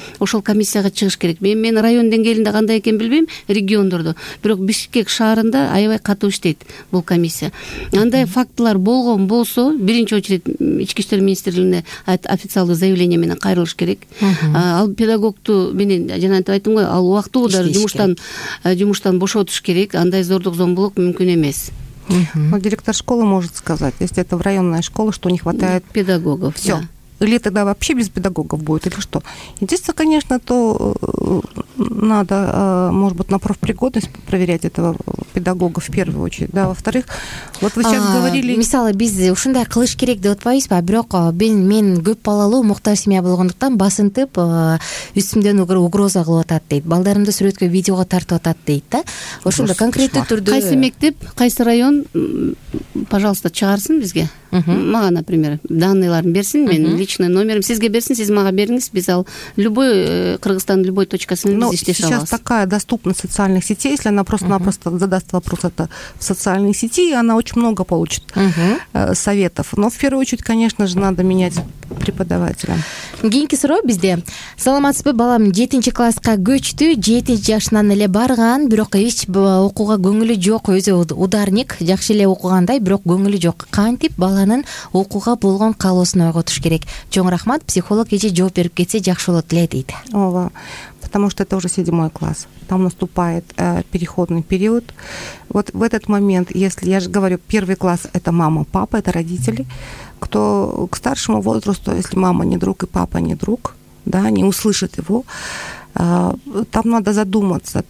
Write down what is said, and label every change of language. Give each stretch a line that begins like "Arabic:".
Kyrgyz: Ошол комиссияга чыгыш керек. Мен район деңгээлинде кандай экенин билбейм, региондордо, бирок Бишкек шаарында аябай катуу иштейт бул комиссия. Андай фактылар болгон болсо, биринчи очередь ички иштер министрлигине официалдуу заявление менен кайрылыш керек. Ал педагогту менен жана антип айттым го, ал убактылуу да жумуштан бошотуш керек. Андай зордук зомбулук мүмкүн эмес.
Russian: Но директор школы может сказать, если это в районной школе, что не хватает педагогов. Все. Да. Или тогда вообще без педагогов будет, или что? Единственное, конечно, то надо, может быть, на профпригодность проверять этого педагога в первую очередь. Да, во-вторых, вот вы сейчас говорили...
Kyrgyz: Мисалы, биз ушундай кылыш керек деп отпайбыз ба? Бирок мен көп балалуу, муктаж семья болгондуктан басынтып, үстүмдөн угроза кылып атат дейт. Балдарымды сүрөткө, видеого тартып атат дейт да. Ошондо конкреттүү түрдө... Кайсы мектеп, кайсы район, пожалуйста, чыгарсын бизге. Мага, например, данныйларын берсин, мен личный номерим сизге берсин, сиз мага бериңиз, биз ал
Russian: любой Кыргызстан любой
Kyrgyz: точкасын издеш алабыз.
Russian: Сейчас такая доступность социальных сетей, если она просто-напросто задаст вопрос это в социальные сети, она очень много получит советов. Но в первую очередь, конечно же, надо менять преподавателем.
Kyrgyz: Кийинки суроо бизде. Саламатсызбы, балам 7-чи класска көчтү, 7 жашынан эле барган, бирок эч окууга көңүлү жок, өзү ударник, жакшы эле окугандай, бирок көңүлү жок. Кантип баланын окууга болгон каалоосун ойготуш керек? Чоң рахмат, психолог эже жооп берип кетсе жакшы болот эле дейт. Ооба.
Russian: Потому что это уже 7 класс. Там наступает переходный период. Вот в этот момент, если я же говорю, первый класс – это мама, папа, это родители. Кто к старшему возрасту, если мама не друг и папа не друг, да, не услышит его, там надо задуматься.